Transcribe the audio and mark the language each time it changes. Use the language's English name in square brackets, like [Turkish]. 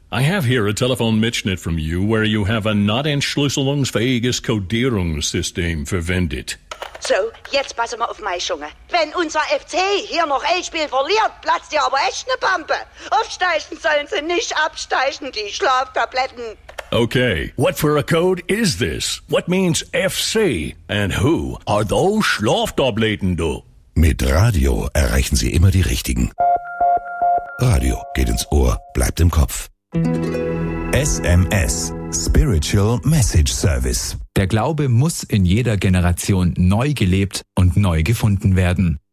[English] I have here a telephone Mitschnitt from you where you have a not [German] entschlüsselungsfähiges Codierungssystem verwendet. So, jetzt passen wir auf, Maischunge. Wenn unser FC hier noch ein Spiel verliert, platzt ihr aber echt eine Pampe. Aufsteigen sollen sie nicht absteigen, die Schlaftabletten. [English] Okay, what for a code is this? What means FC? And who are those Schlaftabletten, du? [German] Mit Radio erreichen Sie immer die Richtigen. Radio geht ins Ohr, bleibt im Kopf. [English] SMS, Spiritual Message Service. [German] Der Glaube muss in jeder Generation neu gelebt und neu gefunden werden.